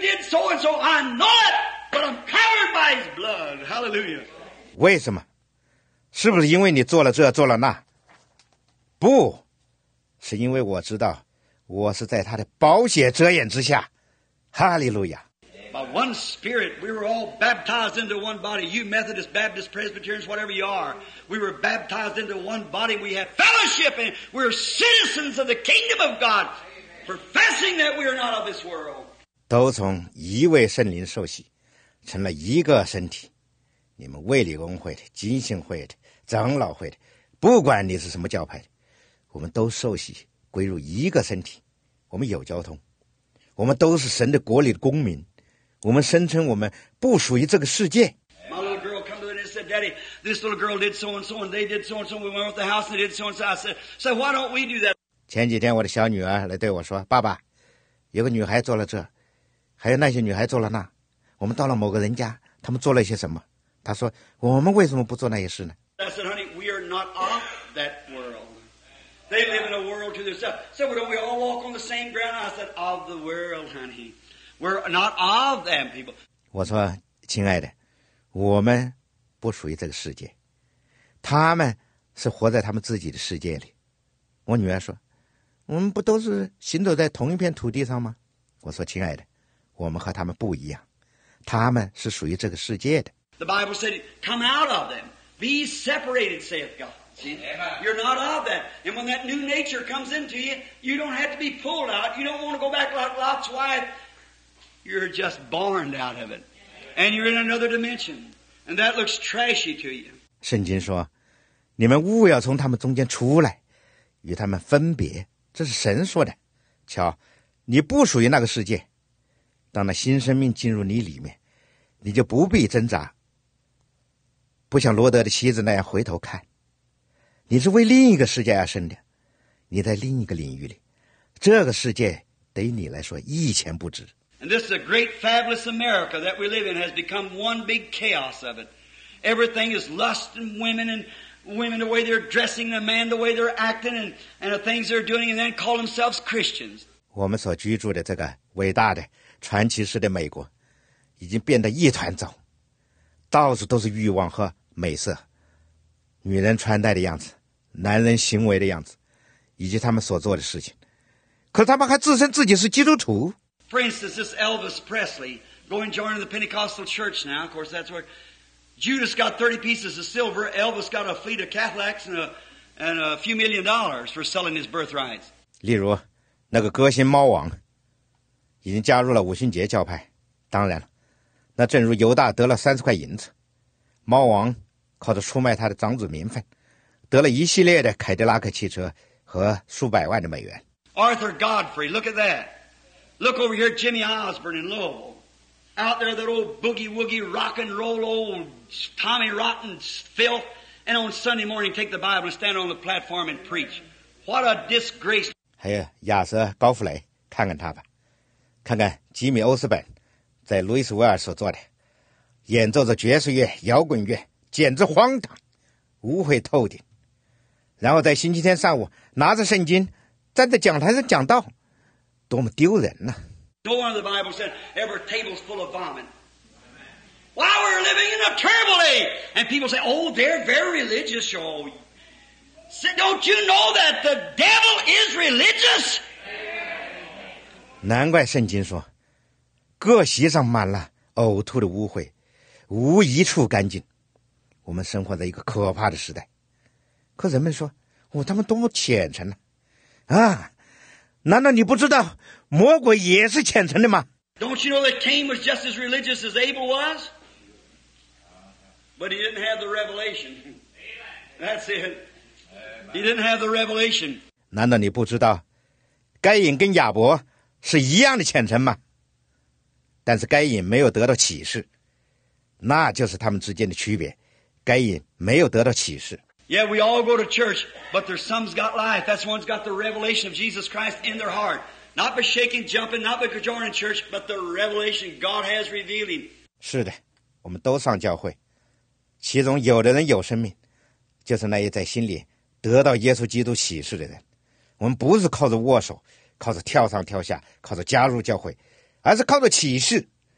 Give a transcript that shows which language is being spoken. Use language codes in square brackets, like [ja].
[en] So and so, I know it, but I'm covered by his blood. Hallelujah. [zh] 为什么？是不是因为你做了这，做了那？不，是因为我知道，我是在他的宝血遮掩之下。哈利路亚。 [en] By one spirit, we were all baptized into one body. You Methodists, Baptists, Presbyterians, whatever you are, we were baptized into one body. We have fellowship, and we're citizens of the kingdom of God, professing that we are not of this world. [zh] 都从一位圣灵受洗，成了一个身体。你们卫理公会的、金星会的、长老会的，不管你是什么教派的，我们都受洗归入一个身体。我们有交通，我们都是神的国里的公民。我们声称我们不属于这个世界。 [en] My little girl come to me and said, "Daddy, this little girl did so and so, and they did so and so. We went out the house and they did so and so." I said, "So why don't we do that?" [zh] 前几天我的小女儿来对我说：“爸爸，有个女孩做了这。” 还有那些女孩做了那，我们到了某个人家，他们做了一些什么？他说：“我们为什么不做那些事呢？” [en] I said, "Honey, we are not of that world. They live in a world to themselves. So don't we all walk on the same ground?" I said, "Of the world, honey, we're not of them people." [zh] 我说：“亲爱的，我们不属于这个世界，他们是活在他们自己的世界里。” 我女儿说：“我们不都是行走在同一片土地上吗？” 我说：“亲爱的。” 我们和他们不一样，他们是属于这个世界的。 [en] The Bible said, "Come out of them, be separated," saith God. See, you're not of that. And when that new nature comes into you, you don't have to be pulled out. You don't want to go back like Lot's wife. You're just born out of it, and you're in another dimension, and that looks trashy to you. [zh] 圣经说，你们务要从他们中间出来，与他们分别。这是神说的。瞧，你不属于那个世界。当那新生命进入你里面，你就不必挣扎，不像罗德的妻子那样回头看。你是为另一个世界而生的，你在另一个领域里，这个世界对于你来说一钱不值。 [en] And this is a great fabulous America that we live in has become one big chaos of it. Everything is lust and women and women the way they're dressing, the man the way they're acting, and the things they're doing, and then call themselves Christians. [zh] 我们所居住的这个伟大的传奇式的美国，已经变得一团糟，到处都是欲望和美色，女人穿戴的样子，男人行为的样子，以及他们所做的事情。可是他们还自称自己是基督徒。 [en] For instance, this Elvis Presley going joining the Pentecostal church now. Of course, that's where Judas got 30 pieces of silver. Elvis got a fleet of Cadillacs and a few million dollars for selling his birthrights. [zh] 例如，那个歌星猫王已经加入了五旬节教派。当然了，那正如犹大得了三十块银子，猫王靠着出卖他的长子名分，得了一系列的凯迪拉克汽车和数百万的美元。 [en] Arthur Godfrey, look at that. Look over here, Jimmy Osborne in Louisville. Out there, that old boogie-woogie rock and roll old Tommy Rotten filth. And on Sunday morning, take the Bible and stand on the platform and preach. What a disgrace. [zh] 还有亚瑟·高弗雷，看看他吧。看看吉米·欧斯本在路易斯维尔所做的。演奏着爵士乐、摇滚乐，简直荒唐，污秽透顶。然后在星期天上午拿着圣经站在讲台上讲道，多么丢人呐、 [en] 啊、No one of the Bible said every table's full of vomit. Why we're living in a terrible age? And people say, oh, they're very religious. Oh, say, don't you know that the devil is religious? [zh] 难怪圣经说，各席上满了呕吐的污秽，无一处干净。我们生活在一个可怕的时代。可人们说，哦，他们多么虔诚呢、啊。啊，难道你不知道魔鬼也是虔诚的吗？ [en] Don't you know that Cain was just as religious as Abel was? But he didn't have the revelation. That's it. He didn't have the revelation. [zh] 难道你不知道该隐跟亚伯是一样的虔诚吗？但是该隐没有得到启示，那就是他们之间的区别。该隐没有得到启示。 [en] Yeah, we all go to church, but there's some's got life. That's one's got the revelation of Jesus Christ in their heart. Not by shaking, jumping, not by joining church, but the revelation God has revealing. [zh] 是的，我们都上教会，其中有的人有生命，就是那些在心里得到耶稣基督启示的人。我们不是靠着握手，靠着跳上跳下，靠着加入教会，而是靠着启示。